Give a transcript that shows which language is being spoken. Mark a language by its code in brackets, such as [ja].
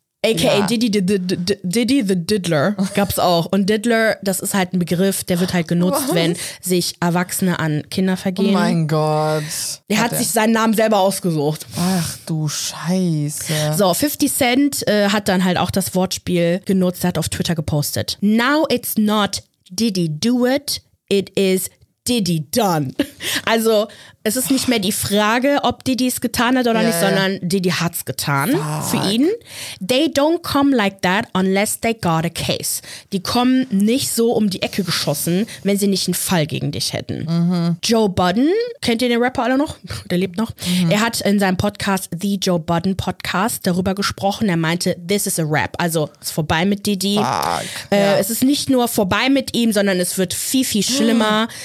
[de] AKA Didi the Diddler gab's auch. Und Diddler, das ist halt ein Begriff, der wird halt genutzt, wenn sich Erwachsene an Kinder vergehen. Oh mein Gott. Er hat sich seinen Namen selber ausgesucht. Ach du Scheiße. So, 50 Cent hat dann halt auch das Wortspiel genutzt, hat auf Twitter gepostet. [en] Now it's not Diddy do it, it is Diddy done. [de] Also, es ist nicht mehr die Frage, ob Diddy es getan hat oder nicht, sondern Diddy hat's getan für ihn. [en] They don't come like that unless they got a case. [de] Die kommen nicht so um die Ecke geschossen, wenn sie nicht einen Fall gegen dich hätten. Mhm. Joe Budden, kennt ihr den Rapper alle noch? Der lebt noch. Mhm. Er hat in seinem Podcast The Joe Budden Podcast darüber gesprochen. Er meinte, this is a rap. Also, es ist vorbei mit Diddy. Fuck. Es ist nicht nur vorbei mit ihm, sondern es wird viel, viel schlimmer.